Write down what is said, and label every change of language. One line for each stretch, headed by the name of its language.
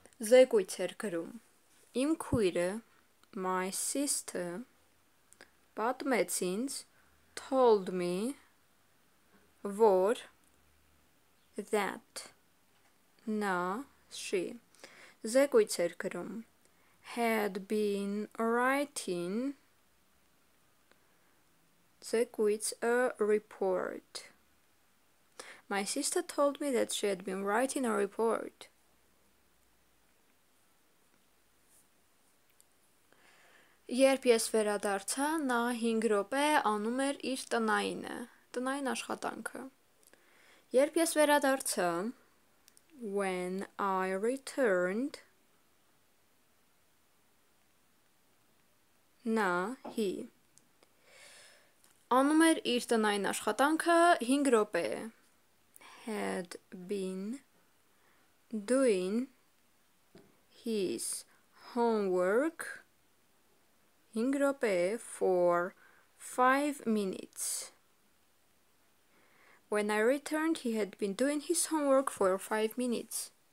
Armenian: զեկույց էր գրում։ Իմ քույրը,
English: my sister,
Armenian: պատմեց ինձ,
English: told me,
Armenian: որ,
English: that,
Armenian: նա,
English: she,
Armenian: զեկույց էր գրում։
English: Had been writing,
Armenian: զեկույց,
English: a report. My sister told me that she had been writing a report.
Armenian: Երբ ես վերադարձա, նա 5 րոպե անում էր իր տնայինը, տնային աշխատանքը։ Երբ ես վերադարձա,
English: when I returned,
Armenian: նա,
English: he,
Armenian: անում էր իր տնային աշխատանքը 5 րոպե։
English: Had been doing his homework
Armenian: 5 րոպե
English: for 5 minutes. When I returned, he had been doing his homework for 5 minutes.